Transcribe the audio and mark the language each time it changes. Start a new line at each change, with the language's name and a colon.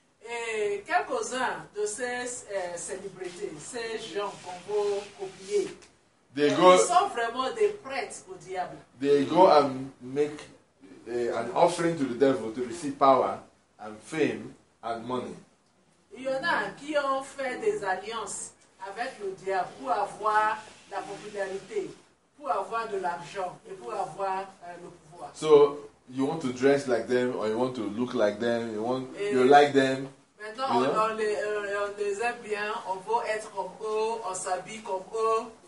French: Et quelques-uns de ces célébrités, ces gens qu'on va copier, ils sont vraiment des prêtres au diable.
English: They go and make an offering to the devil to receive power and fame and money.
French: Il y en a qui ont fait des alliances avec le diable pour avoir la popularité, pour avoir de l'argent et pour avoir le pouvoir.
English: So you want to dress like them, or you want to look like them, you like them.
French: Maintenant,
English: you know?
French: on les aime bien, on veut être comme eux, on s'habille comme eux.